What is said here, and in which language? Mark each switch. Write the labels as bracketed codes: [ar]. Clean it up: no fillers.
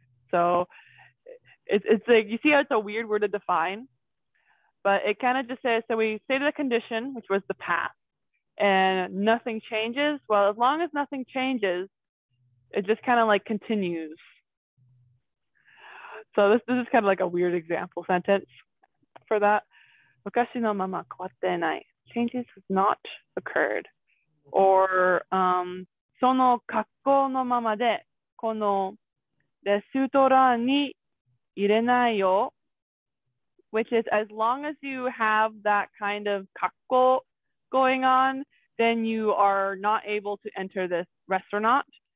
[en] So it's like, you see how it's a weird word to define, but it kind of just says, so we stated a condition, which was the past, and nothing changes. Well, as long as nothing changes, it just kind of like continues. So this is kind of like a weird example sentence for that. [ja] 昔のまま変わってない. [en] Changes have not occurred. Or [ja] その格好のままでこのレストランに入れないよ, [en] which is as long as you have that kind of kakko going on, then you are not able to enter this restaurant.